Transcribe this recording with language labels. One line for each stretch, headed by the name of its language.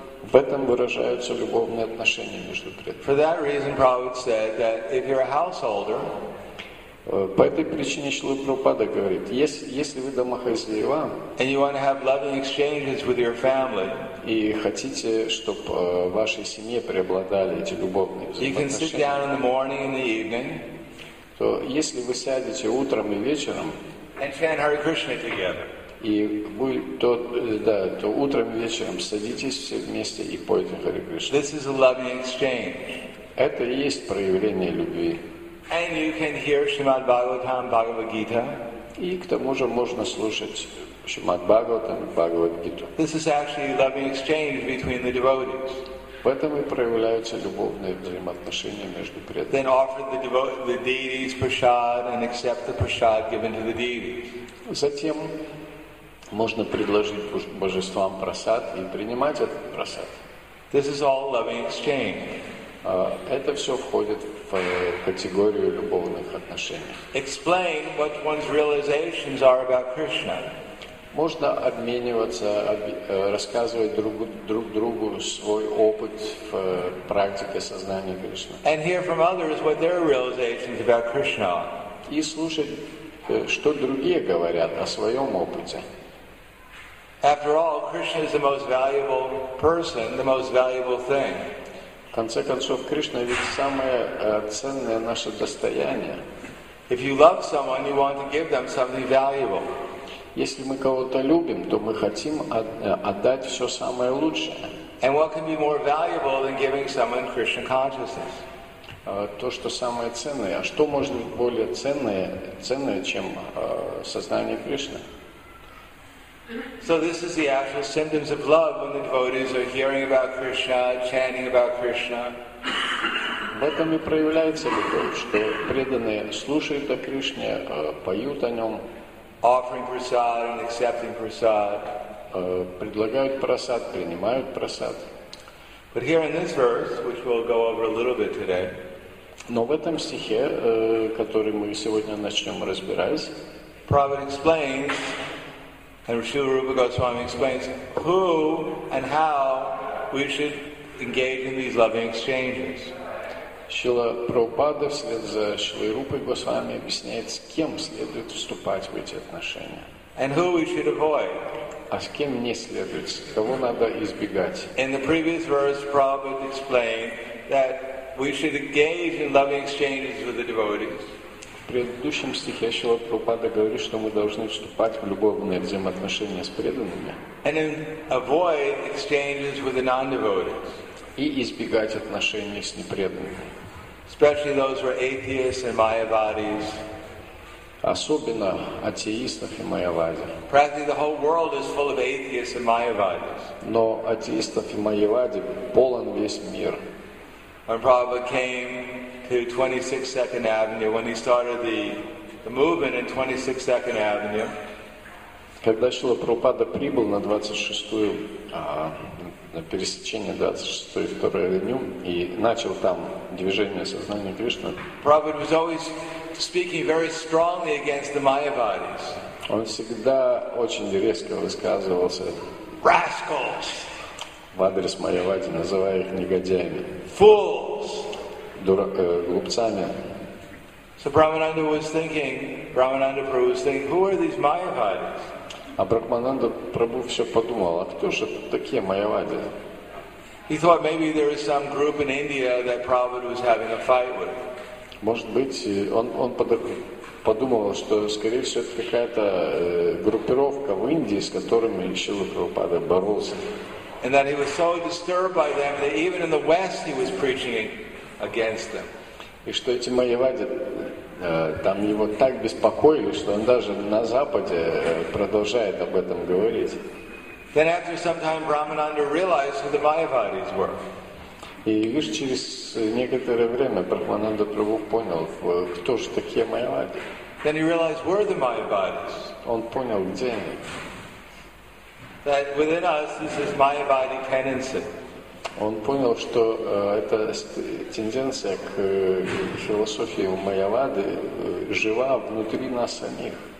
Russian: В этом выражаются любовные отношения между преданными.
English: For that reason, Prabhupada said that if you're a householder,
Russian: по этой причине Шрила Прабхупада говорит, если вы домохозяева,
English: and you want to have loving exchanges with your family,
Russian: и хотите, чтобы в вашей семье преобладали эти любовные взаимоотношения,
English: you can sit down in the morning and the evening,
Russian: то если вы сядете утром и вечером,
English: and chant Hare Krishna together.
Russian: И вы то утром и вечером садитесь все вместе и пойте Харе Кришна.
English: This is a loving exchange.
Russian: Это и есть проявление любви.
English: And you can hear Shrimad Bhagavatam, Bhagavad Gita.
Russian: И к тому же можно слушать Шримад Бхагаватам, Бхагавад Гиту.
English: This is actually a loving exchange between the devotees.
Russian: В этом и проявляются любовные взаимоотношения между преданными.
English: Then offer the deities prasad and accept the prasad given to the deities.
Russian: Затем можно предложить божествам просад и принимать этот просад.
English: This is all loving exchange.
Russian: Это все входит в категорию любовных отношений.
English: Explain what one's realizations are about Krishna.
Russian: Можно обмениваться, рассказывать друг другу свой опыт в практике сознания Кришны.
English: And hear from others what their realizations about Krishna are.
Russian: И слушать, что другие говорят о своем опыте.
English: After all, Krishna is the most valuable person, the most valuable thing.
Russian: В конце концов, Кришна ведь самое ценное наше достояние.
English: If you love someone, you want to give them something valuable.
Russian: Если мы кого-то любим, то мы хотим отдать все самое лучшее.
English: And what can be more valuable than giving someone Krishna consciousness?
Russian: То, что самое ценное. А что может быть более ценное, чем сознание Кришны?
English: So this is the actual symptoms of love when the devotees are hearing about Krishna, chanting about Krishna.
Russian: В этом и проявляется любовь, что преданные слушают о Кришне, поют о нем,
English: offering prasad and accepting prasad,
Russian: предлагают просад, принимают просад.
English: But here in this verse, which we'll go over a little bit today,
Russian: но в этом стихе, который мы сегодня начнем разбирать,
English: Prabhupada explains. And Srila Rupa Goswami explains who and how we should engage in these loving exchanges.
Russian: Srila Prabhupada вслед за Шрилой Рупой Госвами объясняет, с кем следует вступать в эти отношения.
English: And who we should avoid.
Russian: А с кем не следует, кого надо избегать.
English: In the previous verse, Prabhupada explained that we should engage in loving exchanges with the devotees.
Russian: В предыдущем стихе Шрила Прабхупада говорит, что мы должны вступать в любовные взаимоотношения с преданными
English: and avoid exchanges with the non-devotees.
Russian: И избегать отношений с непреданными.
English: Especially those who are atheists and mayavadis.
Russian: Особенно атеистов и майявади.
English: Practically the whole world is full of atheists and mayavadis.
Russian: Но атеистов и майявади полон весь мир.
English: When Prabhupada came to 26 Second Avenue, when he started the movement in 26 Second Avenue.
Russian: Когда Шрила Прабхупада прибыл на 26-ю, на пересечение 26-й и 2-й авеню, и начал там движение сознания Кришны,
English: Prabhupada was always speaking very strongly against the Mayavadis.
Russian: Он всегда очень резко высказывался.
English: Rascals.
Russian: В адрес Майявади, называя их негодяями.
English: Fools.
Russian: Глупцами.
English: So Brahmananda Prabhu was thinking, who are these Mayavadis?
Russian: А Брахмананда Прабху все подумал, а кто же такие Майявади?
English: He thought maybe there is some group in India that Prabhupada was having a fight with.
Russian: Может быть, он подумал, что, скорее всего, это какая-то группировка в Индии, с которыми Шрила Прабхупада боролся.
English: And that he was so disturbed by them that even in the West he was preaching against them.
Russian: И что эти майявади там его так беспокоили, что он даже на Западе продолжает об этом говорить.
English: Then after some time, Brahmananda realized who the Mayavadis were.
Russian: И лишь через некоторое время Брахмананда Прабху понял, кто же такие Майявади.
English: Then he realized where the Mayavadis.
Russian: Он понял, где они.
English: That within us, this is Mayavadi tendency.
Russian: Он понял, что эта тенденция к философии Майявады жива внутри нас самих.